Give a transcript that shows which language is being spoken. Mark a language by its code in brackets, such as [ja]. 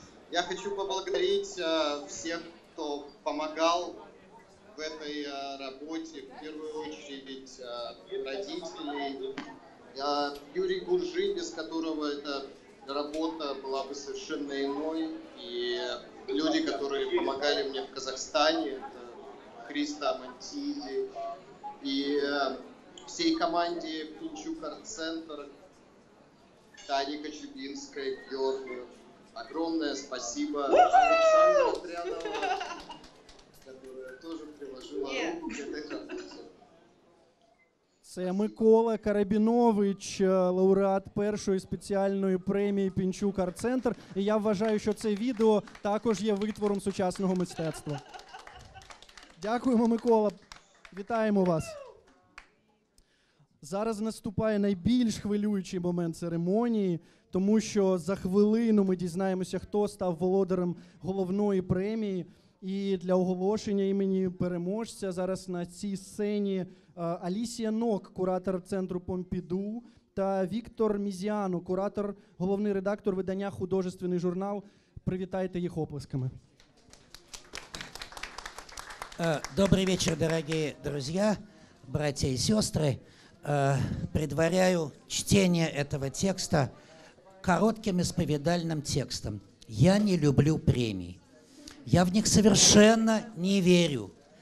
[ru] Я хочу [uk] поблагодарити всіх, хто допомагав в цій роботі, в першу чергу, родителей. Юрій Гуржий, без якого ця робота була б [ru] совершенно [uk] іною. І люди, які допомагали мені в Казахстані. [ru] Христа Монтиди и всей команде Пинчук Арт-центр, Тане Кочубинской, Георгию. Огромное спасибо Александру Андрянову, которая тоже приложила руку к этой работе. [uk] Це Микола Карабінович, лауреат першої спеціальної премії Пінчук Арт-центр. І я вважаю, що це відео також є витвором сучасного мистецтва. Дякуємо, Микола. Вітаємо вас. Зараз наступає найбільш хвилюючий момент церемонії, тому що за хвилину ми дізнаємося, хто став володарем головної премії. І для оголошення імені переможця зараз на цій сцені Алісія Нок, куратор Центру Помпіду, та Віктор Мізіано, куратор, головний редактор видання «Художественний журнал». Привітайте їх оплесками. [ru] Добрый вечер, дорогие друзья, братья и сестры. Предваряю чтение этого текста коротким исповедальным текстом. Я не люблю премии. Я в них совершенно не верю.